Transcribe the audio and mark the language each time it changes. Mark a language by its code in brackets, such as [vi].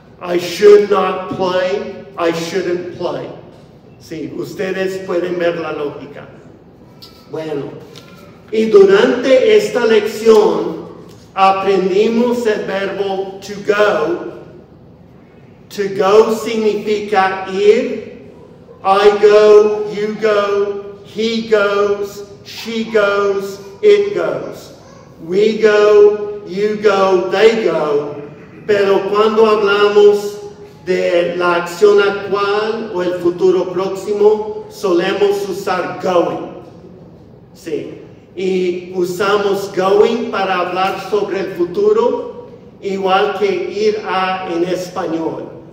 [en] I should not play. I shouldn't play. [es] Sí, ustedes pueden ver la lógica. Bueno, y durante esta lección aprendimos el verbo to go. To go significa ir. [en] I go, you go, he goes, she goes, it goes. We go, you go, they go. [es] Pero cuando hablamos de la acción actual o el futuro próximo, solemos usar going. Sí. Y usamos going para hablar sobre el futuro, igual que ir a en español.